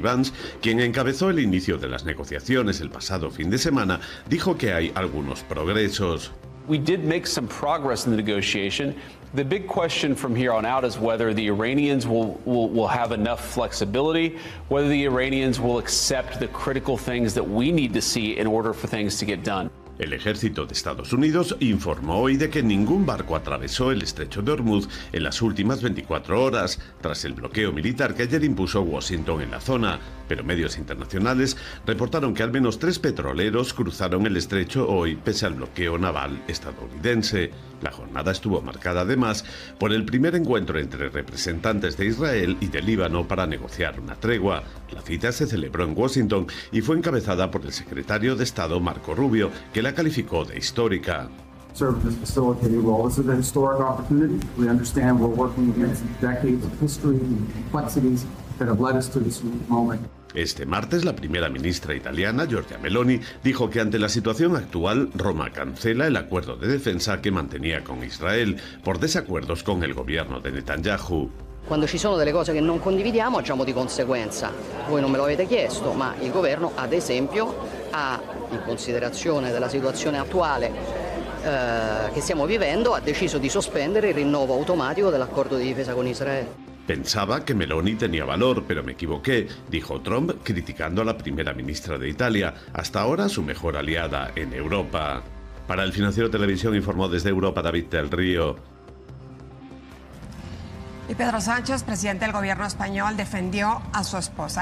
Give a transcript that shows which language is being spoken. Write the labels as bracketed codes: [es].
[es] Vance, quien encabezó el inicio de las negociaciones el pasado fin de semana, dijo que hay algunos progresos. [en] We did make some progress in the negotiation. The big question from here on out is whether the Iranians will have enough flexibility, whether the Iranians will accept the critical things that we need to see in order for things to get done. [es] El ejército de Estados Unidos informó hoy de que ningún barco atravesó el estrecho de Hormuz en las últimas 24 horas, tras el bloqueo militar que ayer impuso Washington en la zona. Pero medios internacionales reportaron que al menos 3 petroleros cruzaron el estrecho hoy, pese al bloqueo naval estadounidense. La jornada estuvo marcada además por el primer encuentro entre representantes de Israel y de Líbano para negociar una tregua. La cita se celebró en Washington y fue encabezada por el secretario de Estado Marco Rubio, que la calificó de histórica. [en] Served as a facilitating role. This is a historic opportunity. We understand we're working against decades of history and complexities that have led us to this moment. [es] Este martes, la primera ministra italiana, Giorgia Meloni, dijo que ante la situación actual, Roma cancela el acuerdo de defensa que mantenía con Israel por desacuerdos con el gobierno de Netanyahu. [it] Cuando ci sono delle cose che non condividiamo, agiamo di conseguenza. Voi non me lo avete chiesto, ma il governo, ad esempio, ha, in considerazione della situazione attuale che stiamo vivendo, ha deciso di sospendere il rinnovo automatico dell'accordo di difesa con Israele. [es] Pensaba que Meloni tenía valor, pero me equivoqué, dijo Trump, criticando a la primera ministra de Italia, hasta ahora su mejor aliada en Europa. Para El Financiero Televisión informó desde Europa David del Río. Y Pedro Sánchez, presidente del gobierno español, defendió a su esposa.